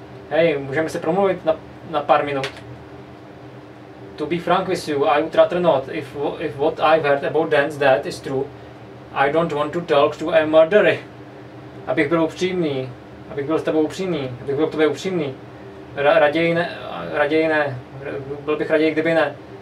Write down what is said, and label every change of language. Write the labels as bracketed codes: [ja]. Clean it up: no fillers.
[cs] Hej, můžeme se promluvit na pár minut. [en] To be frank with you, I would rather not. If what I've heard about Dan's death is true, I don't want to talk to a murderer. [cs] Abych byl k tobě upřímný. Raději ne. Byl bych raději, kdyby ne.